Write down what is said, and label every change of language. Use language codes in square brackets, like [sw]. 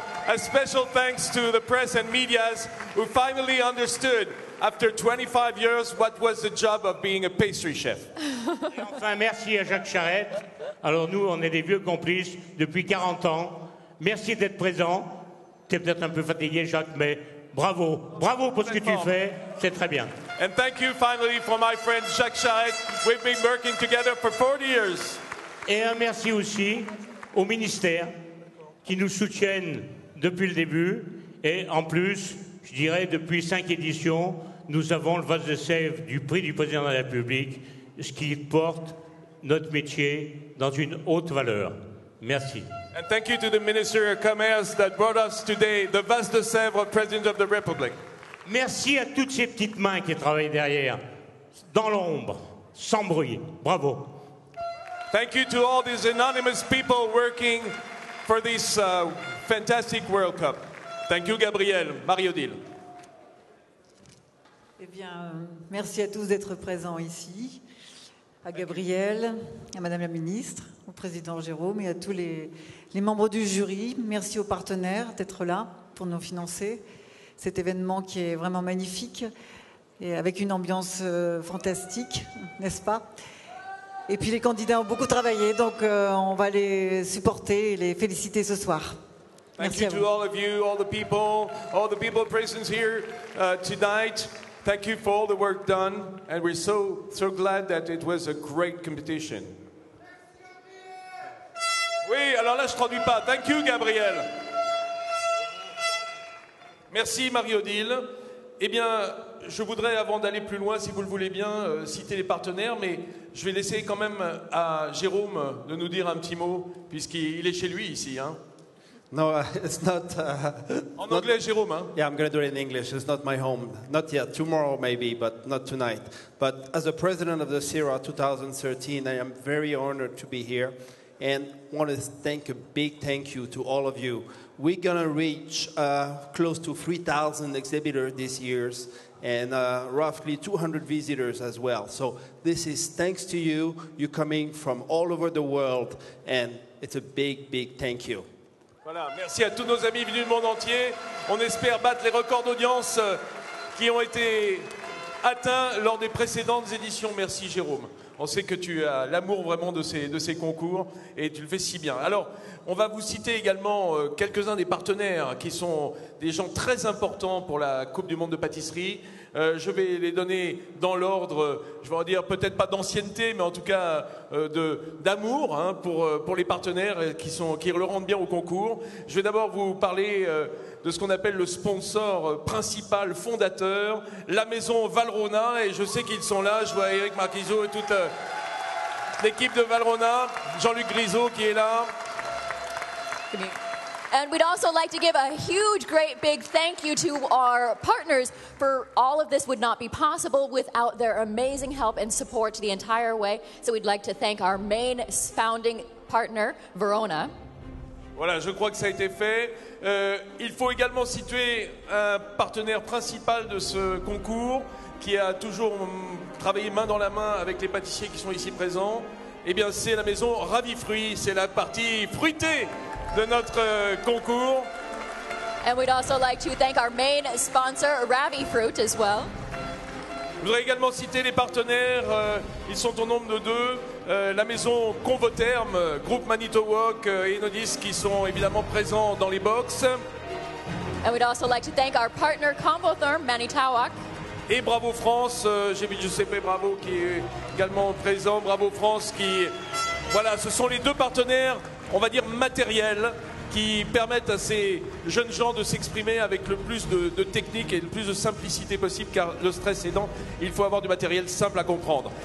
[en] A special thanks to the press and medias who finally understood after 25 years what was the job of being a pastry chef. [fr] Et enfin, merci à Jacques Charette. Alors nous, on est des vieux complices depuis 40 ans. Merci d'être présent. T'es peut-être un peu fatigué, Jacques, mais bravo. Bravo pour ce que tu fais. C'est très bien. [en] And thank you finally for my friend Jacques Charette. We've been working together for 40 years. [fr] Et un merci aussi au ministère qui nous soutiennent depuis le début. Et en plus, je dirais, depuis 5 éditions, nous avons le vase de sève du prix du président de la République, ce qui porte notre métier dans une haute valeur. Merci. [en] And thank you to the Minister of Commerce that brought us today the vase de sève of President of the Republic. [fr] Merci à toutes ces petites mains qui travaillent derrière, dans l'ombre, sans bruit. Bravo. [en] Thank you to all these anonymous people working for this fantastic World Cup. Thank you, Gabriel. Marie-Odile. [fr] Eh bien, merci à tous d'être présents ici, à Gabriel, à Madame la Ministre, au Président Jérôme et à tous les membres du jury. Merci aux partenaires d'être là pour nous financer cet événement qui est vraiment magnifique et avec une ambiance fantastique, n'est-ce pas ? Et puis les candidats ont beaucoup travaillé, donc on va les supporter et les féliciter ce soir. Merci à vous. [en] Thank you to all of you, all the people present here tonight. Thank you for all the work done, and we're so so glad that it was a great competition. [fr] Oui, alors là je traduis pas. [en] Thank you, Gabriel. [fr] Merci, Marie-Odile. Eh bien, je voudrais, avant d'aller plus loin, si vous le voulez bien, citer les partenaires, mais je vais laisser quand même à Jérôme de nous dire un petit mot, puisqu'il est chez lui ici. Hein. [en] No, it's not... [fr] En anglais, Jérôme. Hein. [en] Yeah, I'm going to do it in English. It's not my home. Not yet. Tomorrow, maybe, but not tonight. But as a president of the CIRA 2013, I am very honored to be here and want to thank a big thank you to all of you. We're going to reach close to 3,000 exhibitors this year, and roughly 200 visitors as well. So this is thanks to you. You're coming from all over the world, and it's a big, big thank you. [fr] Voilà, merci à tous nos amis venus du monde entier. On espère battre les records d'audience qui ont été atteints lors des précédentes éditions. Merci, Jérôme. On sait que tu as l'amour vraiment de ces concours et tu le fais si bien. Alors, on va vous citer également quelques-uns des partenaires qui sont des gens très importants pour la Coupe du Monde de pâtisserie. Je vais les donner dans l'ordre, je vais en dire peut-être pas d'ancienneté, mais en tout cas d'amour hein, pour les partenaires qui le rendent bien au concours. Je vais d'abord vous parler de ce qu'on appelle le sponsor principal, fondateur, la maison Valrhona. Et je sais qu'ils sont là, je vois Eric Marquisot et toute l'équipe de Valrhona, Jean-Luc Grisot qui est là. [en] And we'd also like to give a huge, great, big thank you to our partners, for all of this would not be possible without their amazing help and support the entire way. So we'd like to thank our main founding partner, Verona. [fr] Voilà, je crois que ça a été fait. Il faut également situer un partenaire principal de ce concours qui a toujours travaillé main dans la main avec les pâtissiers qui sont ici présents. Eh bien, c'est la maison Ravi Fruits, c'est la partie fruitée de notre concours. [en] And we'd also like to thank our main sponsor, Ravi Fruit, as well. [fr] Je voudrais également citer les partenaires, ils sont au nombre de deux, la maison Convoterme, groupe Manitowoc et Enodis qui sont évidemment présents dans les box. [en] And we'd also like to thank our partner Convoterme, Manitowoc. [fr] Et Bravo France, j'ai vu Giuseppe Bravo qui est également présent, Bravo France qui... Voilà, ce sont les deux partenaires, on va dire matériels, qui permettent à ces jeunes gens de s'exprimer avec le plus de technique et le plus de simplicité possible, car le stress aidant, il faut avoir du matériel simple à comprendre.